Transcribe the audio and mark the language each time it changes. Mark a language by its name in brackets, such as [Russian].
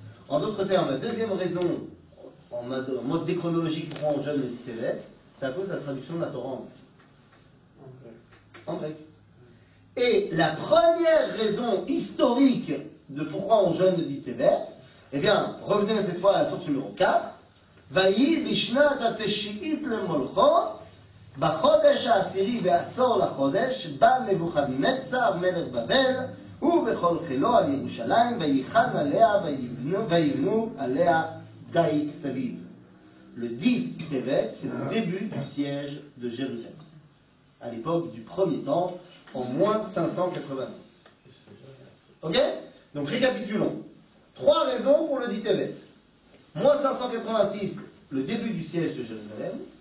[French] En d'autres termes, la deuxième raison, en mode déchronologique, pourquoi on jeûne le 10 Tevet, c'est à cause de la traduction de la Torah en grec. Et la première raison historique de pourquoi on jeûne le 10 Tevet, eh bien, revenez cette fois à la source numéro 4. [Hebrew] Vayi vishnat ateshi'it le molcho. בחודש העשירי בעשור לחודש בא נבוכדנצר מלך בבל ובכל חילו על ירושלים ויחן עליה ויבנו עליה דייק סביב. [French] Le 10 Tevet, c'est le début du siège de Jérusalem. À l'époque du premier temple, en moins 586. Ok? Donc récapitulons. Trois raisons pour le 10 Tevet. Moins 586, le début du siège de Jérusalem.